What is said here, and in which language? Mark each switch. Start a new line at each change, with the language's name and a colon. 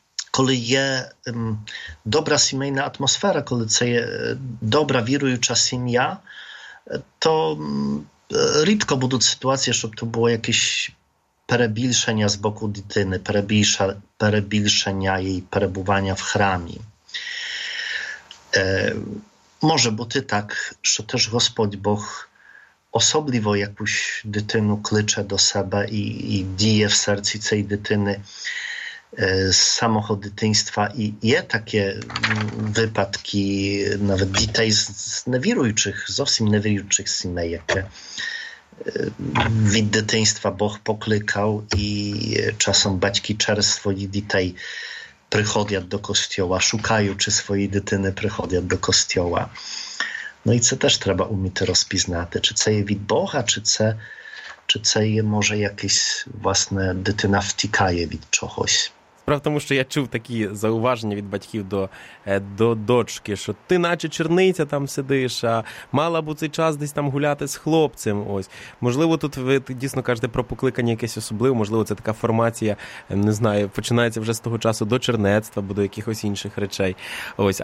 Ukrainian: Коли є добра сімейна атмосфера, коли це є добра віруюча сім'я, то рідко будуть ситуації, щоб то було якесь перебільшення з боку дитини, перебільшення її перебування в храмі. Може бути так, що теж Господь Бог особливо якусь дитину кличе до себе і діє в серці цієї дитини з самого дитинства і є такі випадки
Polish: nawet dzisiaj z niewierzących, zupełnie niewierzących synów, jakie od dzieciństwa Bóg poklikał i czasem baćki przez swoje dzieci przychodzą do kościoła, szukają, czy swoje dzieci przychodzą do kościoła. No i co też trzeba umieć rozpoznać, czy to jest od Boga, czy to jest może jakieś własne dzieci wtykają od czegoś.
Ukrainian: Справа в тому, що я чув такі зауваження від батьків до дочки, що ти наче черниця там сидиш, а мала б у цей час десь там гуляти з хлопцем. Ось. Можливо, тут ви дійсно кажете про покликання якесь особливе, можливо, це така формація, не знаю, починається вже з того часу до чернецтва, або до якихось інших речей. Ось.